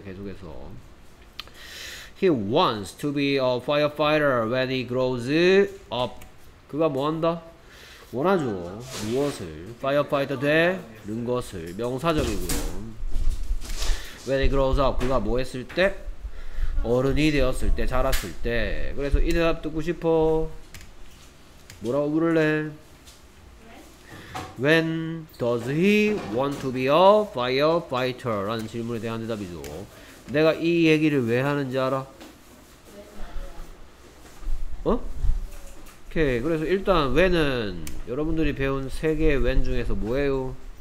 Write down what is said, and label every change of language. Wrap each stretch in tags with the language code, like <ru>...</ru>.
<ko>계속해서</ko> <en>he wants to be a firefighter when he grows up.</en> <ko>그가 뭐한다? 원하죠. 무엇을? firefighter 되는 것을. 명사적이고요.</ko> <en>when he grows up</en> <ko>그가 뭐 했을 때? 어른이 되었을 때, 자랐을 때. 그래서 이 대답 듣고 싶어? 뭐라고 부를래?</ko> <en>When does he want to be a firefighter?</en> <ko>라는 질문에 대한 대답이죠. 내가 이 얘기를 왜 하는지 알아? 어? 오케이. 그래서 일단 when은 여러분들이 배운 세 개의 when 중에서 뭐예요?</ko>